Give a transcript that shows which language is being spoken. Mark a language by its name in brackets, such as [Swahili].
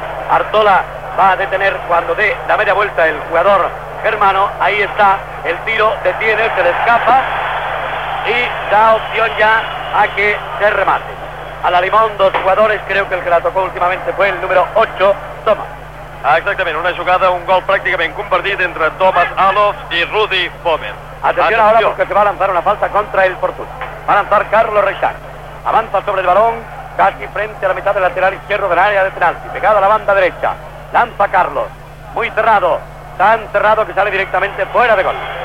[Spanish] Bartola va a detener cuando dé la media vuelta el jugador Germano. Ahí está el tiro, detiene, se le escapa y da opción ya a que se remate. A la limón, dos jugadores, creo que el que la tocó últimamente fue el número 8, Thomas. [Catalan] Exactament, una jugada, un gol pràcticament compartit entre Thomas Alof i Rudy Fomer. [Spanish] Atención ahora porque se va a lanzar una falta contra el Fortuna. Va a lanzar Carlos Reixac. Avanza sobre el balón, casi frente a la mitad del lateral izquierdo del área de penalti. Pegado a la banda derecha, lanza Carlos. Muy cerrado, tan cerrado que sale directamente fuera de gol.